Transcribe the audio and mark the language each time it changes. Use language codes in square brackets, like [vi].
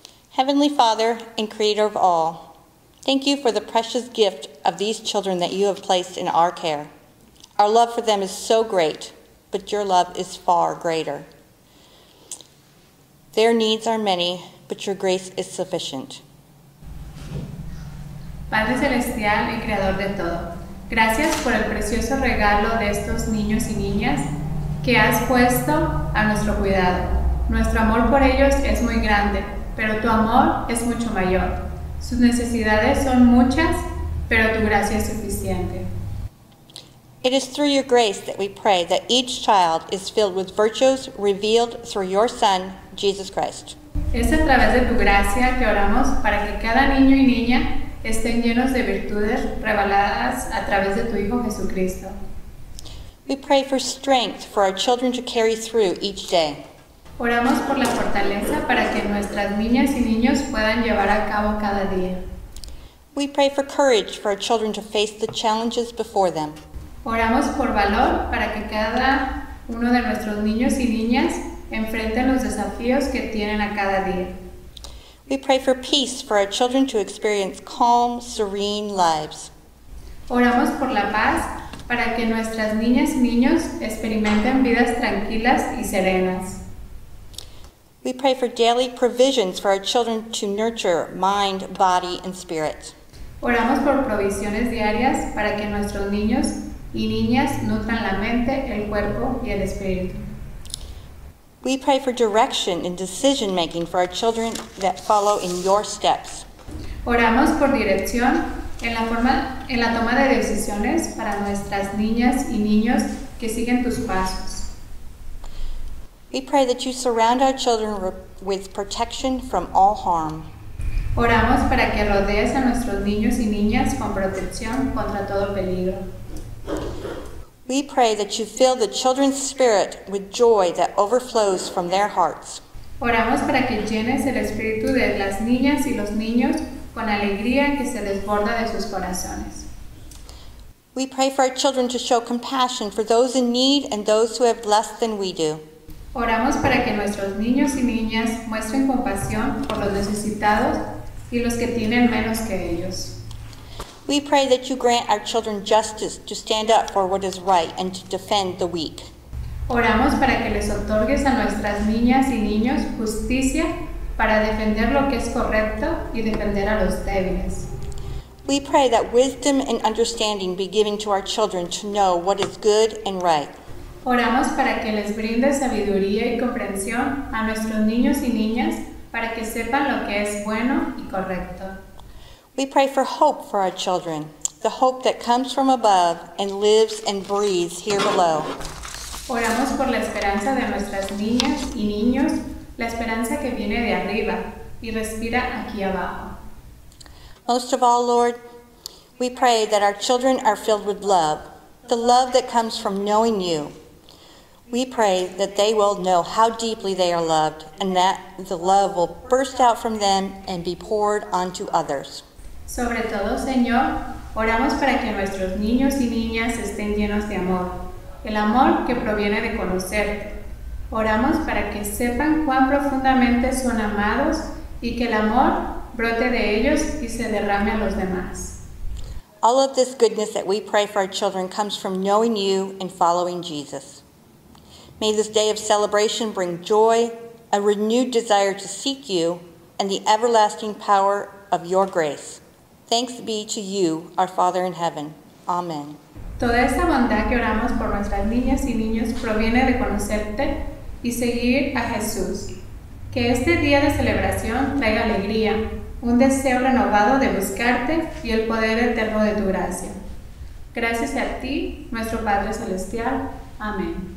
[en] Heavenly Father and Creator of all, thank you for the precious gift of these children that you have placed in our care. Our love for them is so great, but your love is far greater. Their needs are many, but your grace is sufficient. [es] Padre Celestial y Creador de todo, gracias por el precioso regalo de estos niños y niñas que has puesto a nuestro cuidado. Nuestro amor por ellos es muy grande, pero tu amor es mucho mayor. Sus necesidades son muchas, pero tu gracia es suficiente. [en] It is through your grace that we pray that each child is filled with virtues revealed through your Son, Jesus Christ. [es] Es a través de tu gracia que oramos para que cada niño y niña estén llenos de virtudes reveladas a través de tu Hijo Jesucristo. [en] We pray for strength for our children to carry through each day. [es] Oramos por la fortaleza para que nuestras niñas y niños puedan llevar a cabo cada día. [en] We pray for courage for our children to face the challenges before them. [es] Oramos por valor para que cada uno de nuestros niños y niñas enfrenten los desafíos que tienen a cada día. [en] We pray for peace for our children to experience calm, serene lives. [es] Oramos por la paz para que nuestras niñas y niños experimenten vidas tranquilas y serenas. [en] We pray for daily provisions for our children to nurture mind, body, and spirit. [es] Oramos por provisiones diarias para que nuestros niños y niñas nutran la mente, el cuerpo y el espíritu. [en] We pray for direction and decision making for our children that follow in your steps. [es] Oramos por dirección en la toma de decisiones para nuestras niñas y niños que siguen tus pasos. [en] We pray that you surround our children with protection from all harm. [es] Oramos para que rodees a nuestros niños y niñas con protección contra todo peligro. [en] We pray that you fill the children's spirit with joy that overflows from their hearts. [es] Oramos para que llenes el espíritu de las niñas y los niños con alegría que se desborda de sus corazones. [en] We pray for our children to show compassion for those in need and those who have less than we do. [es] Oramos para que nuestros niños y niñas muestren compasión por los necesitados y los que tienen menos que ellos. [en] We pray that you grant our children justice to stand up for what is right and to defend the weak. [es] Oramos para que les otorgues a nuestras niñas y niños justicia para defender lo que es correcto y defender a los débiles. [en] We pray that wisdom and understanding be given to our children to know what is good and right. [es] Oramos para que les brinde sabiduría y comprensión a nuestros niños y niñas para que sepan lo que es bueno y correcto. [en] We pray for hope for our children, the hope that comes from above and lives and breathes here below. [es] Oramos por la esperanza de nuestras niñas y niños, la esperanza que viene de arriba y respira aquí abajo. [en] Most of all, Lord, we pray that our children are filled with love, the love that comes from knowing you. We pray that they will know how deeply they are loved and that the love will burst out from them and be poured onto others. [es] Sobre todo, Señor, oramos para que nuestros niños y niñas estén llenos de amor, el amor que proviene de conocerte. Oramos para que sepan cuán profundamente son amados y que el amor brote de ellos y se derrame a los demás. [en] All of this goodness that we pray for our children comes from knowing you and following Jesus. May this day of celebration bring joy, a renewed desire to seek you, and the everlasting power of your grace. Thanks be to you, our Father in heaven. Amen. [es] Toda esta bondad que oramos por nuestras niñas y niños proviene de conocerte y seguir a Jesús. Que este día de celebración traiga alegría, un deseo renovado de buscarte y el poder eterno de tu gracia. Gracias a ti, nuestro Padre Celestial. Amén.